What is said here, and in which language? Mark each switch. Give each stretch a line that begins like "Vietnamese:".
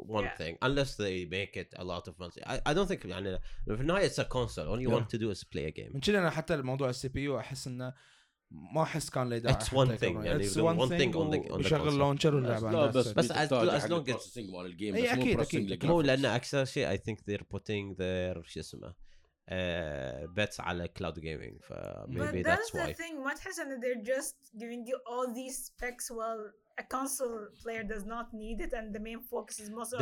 English: one thing unless they make it a lot of multi I don't think
Arabic: يعني
English: if not it's a console all you want to do is play a game
Arabic: من شان انا حتى الموضوع السي بي يو احس انه ما احس كان له داعي
English: it's one thing
Arabic: يعني
English: one thing on the
Arabic: console شغل لونشر واللعبه بس
English: as long as
Arabic: processing مال الجيم بس مو processing مو لانه اكثر شيء
English: I think they're putting their
Arabic: شو اسمه
English: bets على cloud gaming ف maybe but that's why the thing what has and they're just giving you all these specs while a console player does not need it and the main focus is mostly